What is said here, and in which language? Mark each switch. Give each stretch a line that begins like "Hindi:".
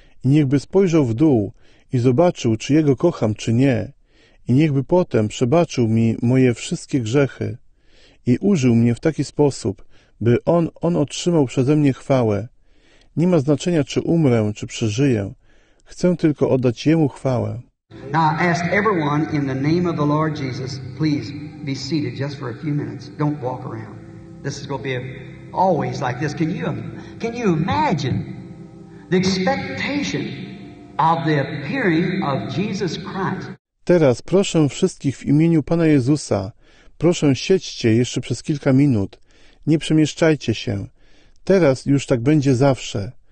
Polish: I niechby spojrzał w dół i zobaczył, czy jego kocham, czy nie. I niechby potem przebaczył mi moje wszystkie grzechy i użył mnie w taki sposób, by on otrzymał przeze mnie chwałę. Nie ma znaczenia, czy umrę, czy przeżyję. Chcę tylko oddać jemu chwałę.
English: Now I ask everyone in the name of the Lord Jesus, please be seated just for a few minutes. Don't walk around. This is going to be always like this. Can you imagine the expectation of the appearing of Jesus Christ?
Polish: Teraz proszę wszystkich w imieniu Pana Jezusa. Proszę siedźcie jeszcze przez kilka minut. Nie przemieszczajcie się. Teraz już tak będzie zawsze.